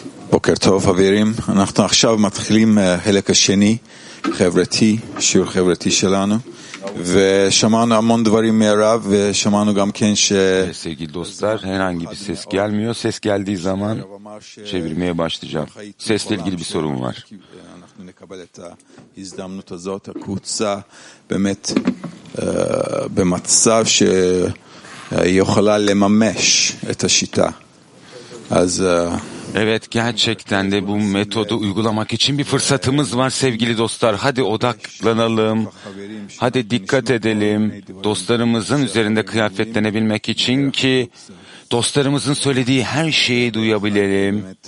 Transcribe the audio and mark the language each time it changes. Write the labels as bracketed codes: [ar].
[he] בוקר טוב חברים, אנחנו עכשיו מתחילים חלק השני, חברתי, שיעור חברתי שלנו, ושמענו המון דברים מהרב, ושמענו גם כן ש... [tr] Sevgili dostlar, herhangi bir ses gelmiyor, ses geldiği zaman çevirmeye başlayacağım. Sesle ilgili bir sorun var. [he] אנחנו נקבל את ההזדמנות הזאת, הקבוצה, באמת במצב שהיא יכולה לממש את השיטה. אז... [tr] Evet, gerçekten de bu metodu uygulamak için bir fırsatımız var sevgili dostlar. Hadi odaklanalım, hadi dikkat edelim dostlarımızın üzerinde kıyafetlenebilmek için ki dostlarımızın söylediği her şeyi duyabilirim.